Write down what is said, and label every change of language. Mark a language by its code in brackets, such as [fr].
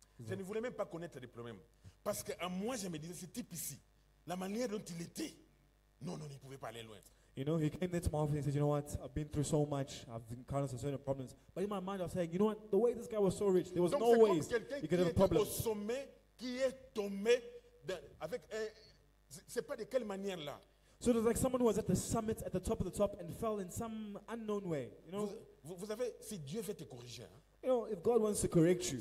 [fr] Je ne voulais même pas connaître des problèmes. Parce que à moi, je me disais, ce type ici, la manière dont il était, non, il ne pouvait pas aller loin. [en] You know, he came there to my office and said, you know what, I've been through so much, I've encountered some certain problems. But in my mind, I was saying, you know what, the way this guy was so rich, there was [fr] donc [en] no way he could have a problem. [fr] Au sommet, qui est tombé avec, c'est pas de quelle manière là. [en] So it was like someone who was at the summit, at the top, and fell in some unknown way, you know. [fr] Vous savez, si Dieu veut te corriger, [en] you know, if God wants to correct you,